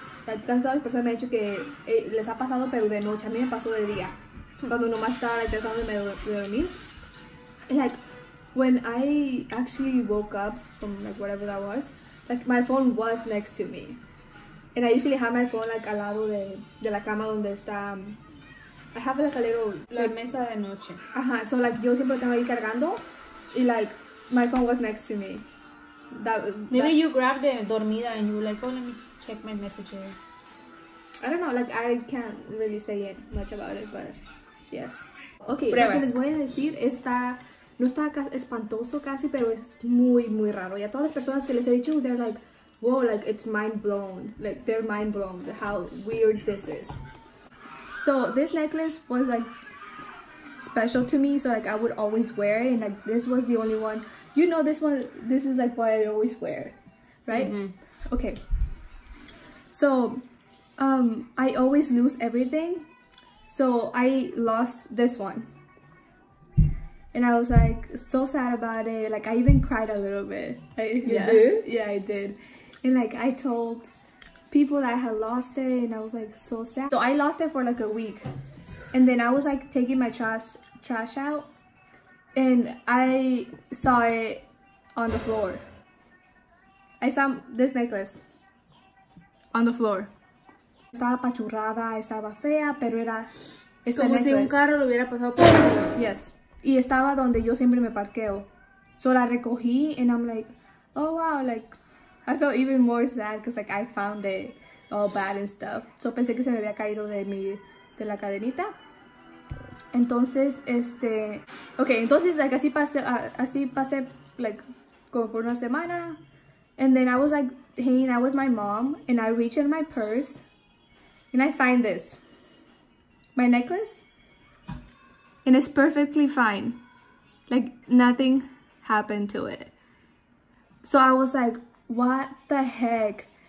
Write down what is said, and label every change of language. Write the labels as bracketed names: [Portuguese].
[Spanish] Like, casi todas las personas me han dicho que les ha pasado, pero de noche. A mí me pasó de día. Cuando nomás estaba like, tratando de dormir. [English] Like, when I actually woke up from like whatever that was, like, my phone was next to me. And I usually have my phone like al lado de la cama donde está... I have like a little [Spanish] like, mesa de noche. Ajá, so like yo siempre tengo ahí cargando. [English] Y like my phone was next to me. Maybe you grabbed it dormida and you were like, oh, let me check my messages. I don't know, like I can't really say it much about it, but yes. Okay, lo que les voy a decir está. No está espantoso casi, pero es muy, muy raro. Y a todas las personas que les he dicho, [Spanish] they're like, whoa, like it's mind blown. [English] Like they're mind blown how weird this is. So this necklace was like special to me, so like I would always wear it, and like this was the only one, you know, this one, this is like what I always wear, right? Mm-hmm. Okay, so I always lose everything So I lost this one. And I was like so sad about it. Like I even cried a little bit. You did? Yeah, I did. And like I told people that I had lost it and I was like so sad. So I lost it for like a week. And then I was like taking my trash out and I saw it on the floor. I saw this necklace on the floor. [Spanish] Estaba apachurrada, estaba fea, pero era este como necklace. Si un carro lo hubiera pasado por ahí. Yes. Y estaba donde yo siempre me parqueo. [English] So la recogí and I'm like, oh wow, like I felt even more sad because like I found it all bad and stuff. [Spanish] So pensé que se me había caído de la cadenita. Entonces, okay, entonces like así pasé like como por una semana. [English] And then I was like hanging out with my mom and I reached in my purse and I find this. My necklace. And it's perfectly fine. Like nothing happened to it. So I was like, what the heck?